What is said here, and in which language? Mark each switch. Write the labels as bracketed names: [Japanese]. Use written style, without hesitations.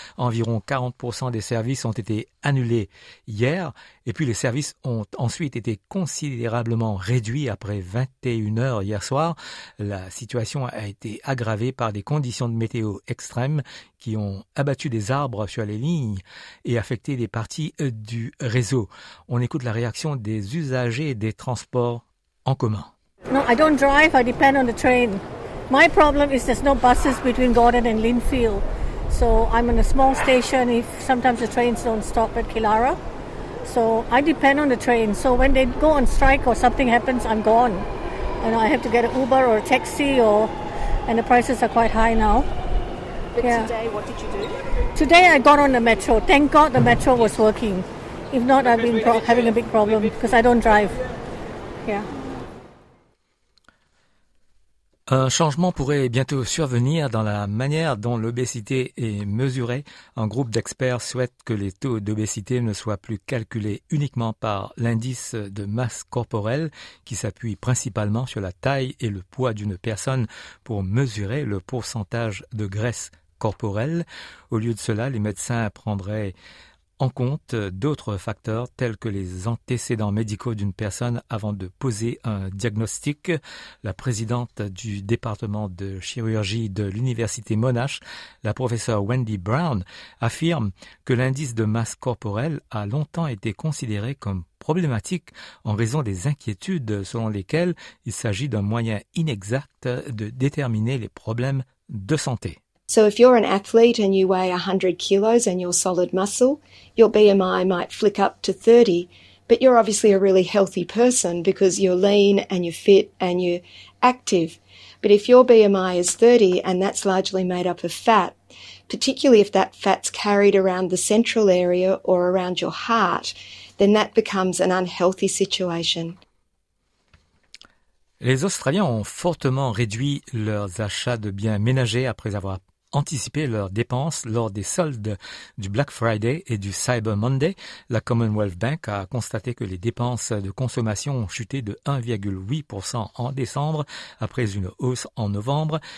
[French] Environ 40% des services ont été annulés hier et puis les services ont ensuite été considérablement réduits après 21h hier soir. La situation a été aggravée par des conditions de météo extrêmes qui ont abattu des arbres sur les lignes et affecté des parties du réseau. On écoute la réaction des usagers des transports en commun. [English] No, I don't drive, I depend on the train. My problem is there's no buses between Gordon and Lynfield. So I'm in a small station, if sometimes the trains don't stop at Killara. So I depend on the train. So when they go on strike or something happens, I'm gone. And I have to get an Uber or a taxi, or and the prices are quite high now. But yeah. Today, what did you do? Today I got on the metro. Thank God the metro was working. If not, I've been having a big problem because I don't drive. Yeah. [French] Un changement pourrait bientôt survenir dans la manière dont l'obésité est mesurée. Un groupe d'experts souhaite que les taux d'obésité ne soient plus calculés uniquement par l'indice de masse corporelle qui s'appuie principalement sur la taille et le poids d'une personne pour mesurer le pourcentage de graisse corporelle. Au lieu de cela, les médecins prendraient en compte d'autres facteurs tels que les antécédents médicaux d'une personne avant de poser un diagnostic. La présidente du département de chirurgie de l'Université Monash, la professeure Wendy Brown, affirme que l'indice de masse corporelle a longtemps été considéré comme problématique en raison des inquiétudes selon lesquelles il s'agit d'un moyen inexact de déterminer les problèmes de santé. [English] So if you're an athlete and you weigh 100 kilos and you're solid muscle, your BMI might flick up to 30, but you're obviously a really healthy person because you're lean and you're fit and you're active. But if your BMI is 30 and that's largely made up of fat, particularly if that fat's carried around the central area or around your heart, then that becomes an unhealthy situation. [French] Les Australiens ont fortement réduit leurs achats de biens ménagers après avoir anticiper leurs dépenses lors des soldes du Black Friday et du Cyber Monday. La Commonwealth Bank a constaté que les dépenses de consommation ont chuté de 1,8% en décembre après une hausse en novembre.